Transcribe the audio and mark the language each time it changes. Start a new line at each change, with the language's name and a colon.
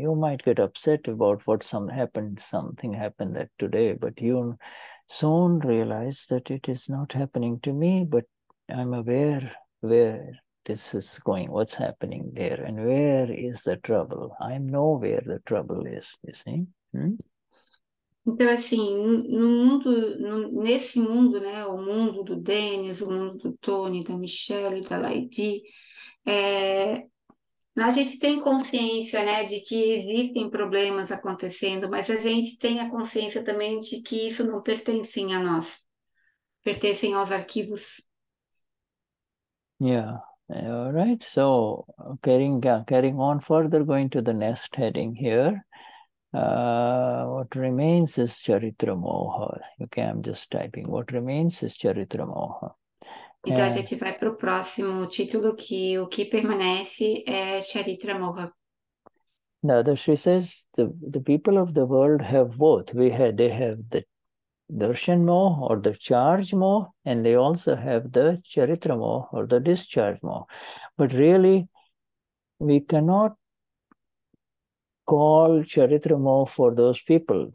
English: You might get upset about what something happened that today, but you soon realize that it is not happening to me, but I'm aware where this is going, what's happening there, and where is the trouble. I know where the trouble is, you see.
Portuguese: Então, assim, nesse mundo, né, o mundo do Dennis, o mundo do Tony, da Michelle, da Laidy, a gente tem consciência, né, de que existem problemas acontecendo, mas a gente tem a consciência também de que isso não pertence a nós, pertencem aos arquivos.
English: Yeah, all right, so carrying on further, going to the next heading here. What remains is Charitra Moha. Okay, I'm just typing. What remains is Charitra Moha.
Portuguese: Então, a gente vai para o próximo título, que o que permanece é Charitra Moha.
English: Dada, she says, the people of the world have both. They have the Darshan Moha or the Charge Moha, and they also have the Charitra Moha or the Discharge Moha. But really, we cannot call Charitra Moha for those people.